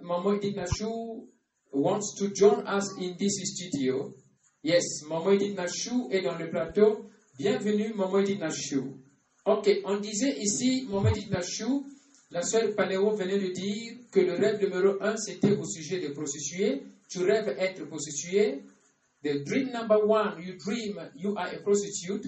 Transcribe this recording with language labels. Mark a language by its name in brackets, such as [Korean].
[English] Maman Edith Nachou wants to join us in this studio. [French] Yes, maman Edith Nachou est dans le plateau. Bienvenue, maman Edith Nachou. Ok, on disait ici, maman Edith Nachou, la sœur Paléo venait de dire que le rêve numéro un, c'était au sujet de prostituée. Tu rêves être prostituée. [English] The dream number one, you dream you are a prostitute.